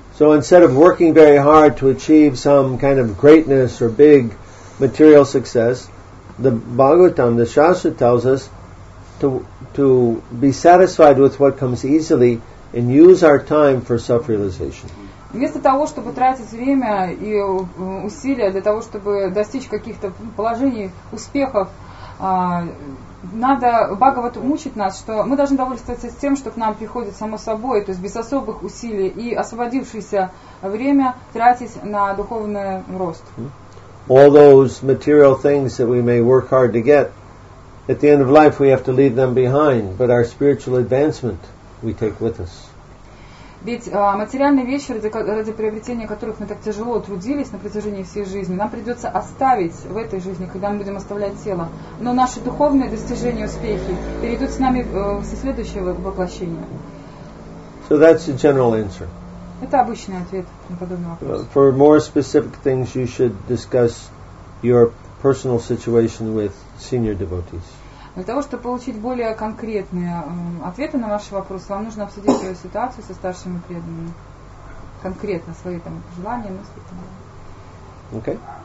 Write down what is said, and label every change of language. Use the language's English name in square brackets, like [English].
[English] So instead of working very hard to achieve some kind of greatness or big material success, the Bhagavatam, the Shastra tells us to be satisfied with what comes easily and use our time for self-realization. [Russian] Вместо того, чтобы тратить время и усилия для того, чтобы достичь каких-то положений, успехов, надо Бхагавад учить нас, что мы должны довольствоваться тем, что к нам приходит само собой, то есть без особых усилий, и освободившееся время тратить на духовный рост. [English] All those material things that we may work hard to get, at the end of life we have to leave them behind, but our spiritual advancement we take with us. [Russian] Ведь материальные вещи, ради приобретения которых мы так тяжело трудились на протяжении всей жизни, нам придется оставить в этой жизни, когда мы будем оставлять тело. Но наши духовные достижения, успехи перейдут с нами со следующего воплощения. [English] So that's a general answer. [Russian] Это обычный ответ на подобный вопрос. [English] For more specific things, you should discuss your personal situation with senior devotees. [Russian] Для того, чтобы получить более конкретные ответы на ваши вопросы, вам нужно обсудить свою ситуацию со старшими преданными. Конкретно свои там желания, мысли. Окей.